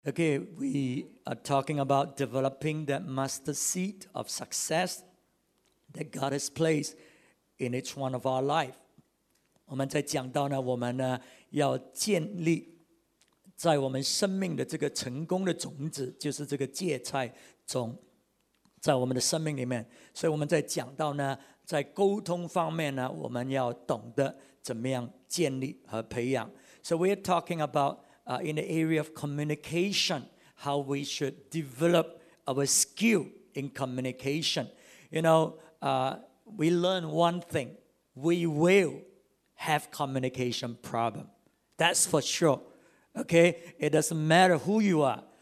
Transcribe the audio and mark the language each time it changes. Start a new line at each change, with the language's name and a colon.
English: Okay, we are talking about developing that mustard seed of success that God has placed in each one of our life.
Chinese: 我们在讲到呢，我们呢 要建立在我们生命的这个成功的种子，就是这个芥菜种，在我们的生命里面。所以我们在讲到呢，在沟通方面呢，我们要懂得怎么样建立和培养。
English: So we are talking about in the area of communication, how we should develop our skill in communication. You know, we learn one thing, we will have communication problem. That's for sure, okay? It doesn't matter who you are.